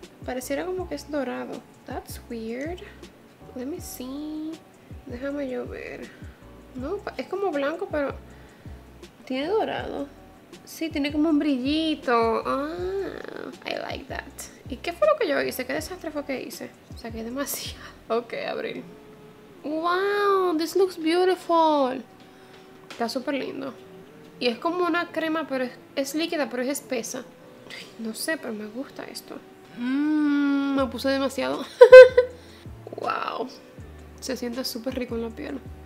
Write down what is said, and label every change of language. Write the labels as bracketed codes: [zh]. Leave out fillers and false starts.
[es] Pareciera como que es dorado. [en] That's weird. Let me see. [es] Déjame yo ver. No, es como blanco, pero tiene dorado. Sí, tiene como un brillito. [en] Ah, I like that. [es] ¿Y qué fue lo que yo hice? ¿Qué desastre fue que hice? O sea, que es demasiado. Ok, abril. [en] Wow, this looks beautiful. [es] Está súper lindo. Y es como una crema, pero es líquida, pero es espesa. No sé, pero me gusta esto. Me puse demasiado. Wow. Se siente súper rico en la piel.